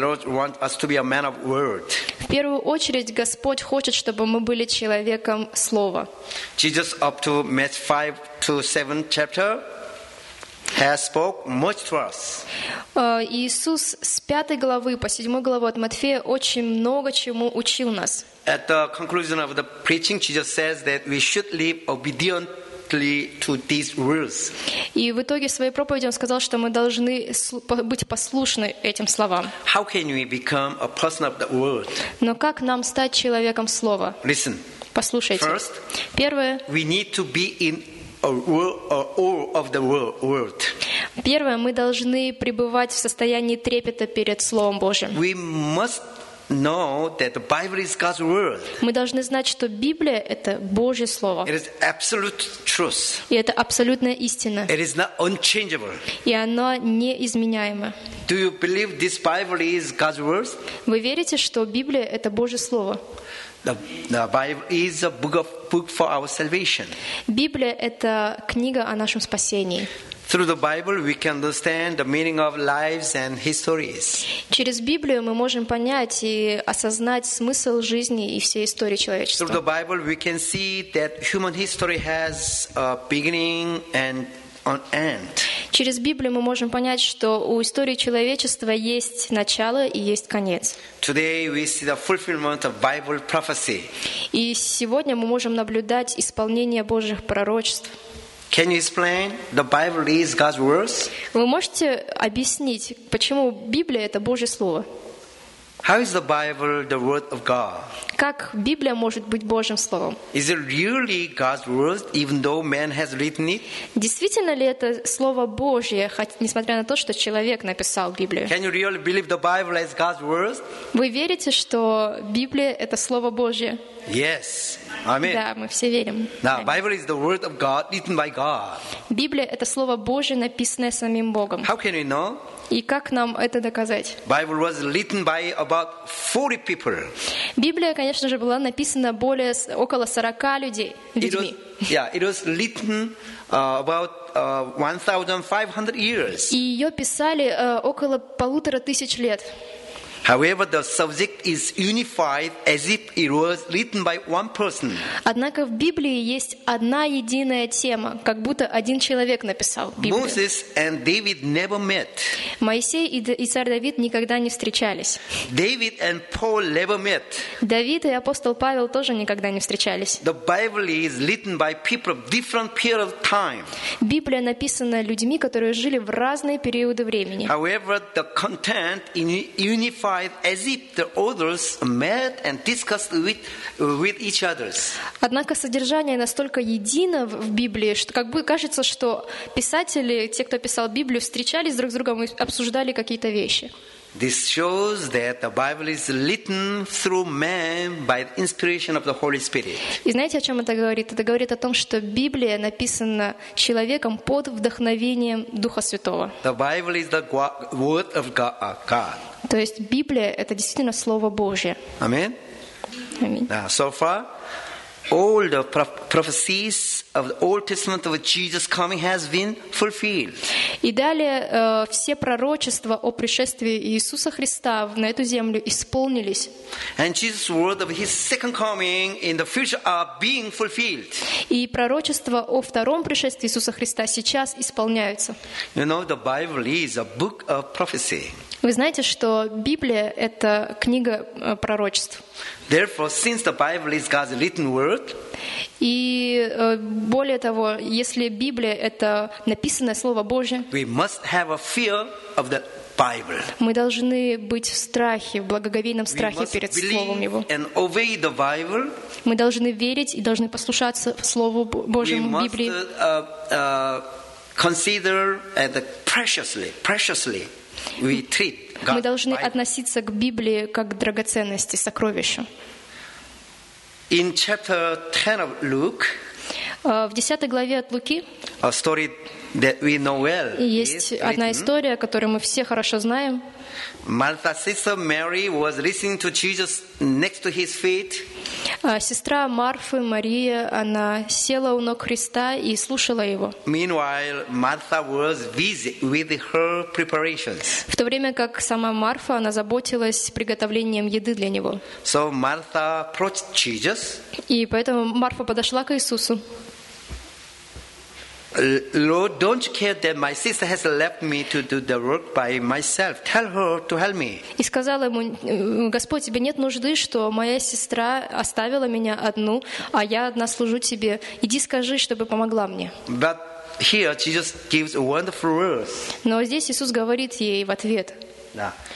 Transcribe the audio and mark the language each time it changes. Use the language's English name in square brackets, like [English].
[Russian] В первую очередь, Господь хочет, чтобы мы были человеком слова. [English] Jesus up to Matthew 5 to 7 chapter has spoke much to us. [Russian] Иисус с 5 главы по 7 главу от Матфея очень много чему учил нас. [English] At the conclusion of the preaching, Jesus says that we should live obedient to these words. [Russian] И в итоге своей проповеди он сказал, что мы должны быть послушны этим словам. [English] How can we become a person of the word? [Russian] Но как нам стать человеком слова? [English] Listen. [Russian] Послушайте. [English] First. [Russian] Первое. [English] We need to be in awe of the word. [Russian] Первое, мы должны пребывать в состоянии трепета перед словом Божьим. [English] We must know that the Bible is God's word. [Russian] Мы должны знать, что Библия – это Божье слово. [English] It is absolute truth. [Russian] И это абсолютная истина. [English] It is not unchangeable. [Russian] И оно неизменяемо. [English] Do you believe this Bible is God's word? [Russian] Вы верите, что Библия – это Божье слово? [English] The Bible is a book for our salvation. [Russian] Библия – это книга о нашем спасении. [English] Through the Bible we can understand the meaning of lives and histories. [Russian] Через Библию мы можем понять и осознать смысл жизни и всей истории человечества. [English] Through the Bible we can see that human history has a beginning and an end. [Russian] Через Библию мы можем понять, что у истории человечества есть начало и есть конец. [English] Today we see the fulfillment of Bible prophecy. [Russian] И сегодня мы можем наблюдать исполнение Божьих пророчеств. [English] Can you explain the Bible is God's words? [Russian] Вы можете объяснить, почему Библия это Божье слово? [English] How is the Bible the word of God? [Russian] Как Библия может быть Божьим словом? [English] Is it really God's word even though man has written it? [Russian] Действительно ли это слово Божье, несмотря на то, что человек написал Библию? [English] Can you really believe the Bible as God's word? [Russian] Вы верите, что Библия это слово Божье? [English] Yes. Amen. [Russian] Да, мы все верим. [English] Now, Bible is the word of God written by God. [Russian] Библия это слово Божье, написанное самим Богом. [English] How can we know? [Russian] И как нам это доказать? [English] Bible was written by about 40 people. [Russian] Библия, конечно же, была написана более около 40 людей. [English] It was written about 1,500 years. [Russian] И ее писали около 1,500 лет. [English] However, the subject is unified as if it was written by one person. [Russian] Однако в Библии есть одна единая тема, как будто один человек написал Библию. [English] Moses and David never met. [Russian] Моисей и царь Давид никогда не встречались. [English] David and Paul never met. [Russian] Давид и апостол Павел тоже никогда не встречались. [English] The Bible is written by people of different period of time. [Russian] Библия написана людьми, которые жили в разные периоды времени. [English] However, the content in unified as if the authors met and discussed with each other. [Russian] Однако содержание настолько едино в Библии, что как бы кажется, что писатели, те, кто писал Библию, встречались друг с другом и обсуждали какие-то вещи. [English] This shows that the Bible is written through man by the inspiration of the Holy Spirit. [Russian] И знаете, о чем это говорит? Это говорит о том, что Библия написана человеком под вдохновением Духа Святого. [English] The Bible is the word of God. [Russian] То есть Библия это действительно слово Божье. [English] Amen. [Russian] Amen. [English] Now, so far, all the prophecies of the Old Testament of Jesus coming has been fulfilled. [Russian] И далее все пророчества о пришествии Иисуса Христа на эту землю исполнились. [English] And Jesus' word of his second coming in the future are being fulfilled. [Russian] И пророчества о втором пришествии Иисуса Христа сейчас исполняются. [English] You know the Bible is a book of prophecy. [Russian] Вы знаете, что Библия — это книга пророчеств. [English] Therefore, since the Bible is God's written word, [Russian] и более того, если Библия — это написанное Слово Божье, [English] we must have a fear of the Bible. [Russian] Мы должны быть в страхе, в благоговейном страхе перед Словом Его. [English] And obey the Bible. [Russian] Мы должны верить и должны послушаться Слову Божьему, Библии. [English] We must consider it preciously. We treat God. [Russian] Мы должны относиться к Библии как к драгоценности, сокровищу. [English] In chapter 10 of Luke, [Russian] в 10 главе от Луки, [English] a story that we know well, [Russian] есть одна история, которую мы все хорошо знаем. [English] Martha's sister Mary was listening to Jesus next to his feet. [Russian] Сестра Марфы, Мария, она села у ног Христа и слушала его. [English] Meanwhile, Martha was busy with her preparations. [Russian] В то время как сама Марфа, она заботилась приготовлением еды для него. [English] So Martha approached Jesus. [Russian] И поэтому Марфа подошла к Иисусу. [English] Lord, don't you care that my sister has left me to do the work by myself? Tell her to help me. [Russian] И сказала ему: Господь, тебе нет нужды, что моя сестра оставила меня одну, а я одна служу тебе. Иди, скажи, чтобы помогла мне. [English] But here Jesus gives wonderful words. [Russian] Но здесь Иисус говорит ей в ответ. Да.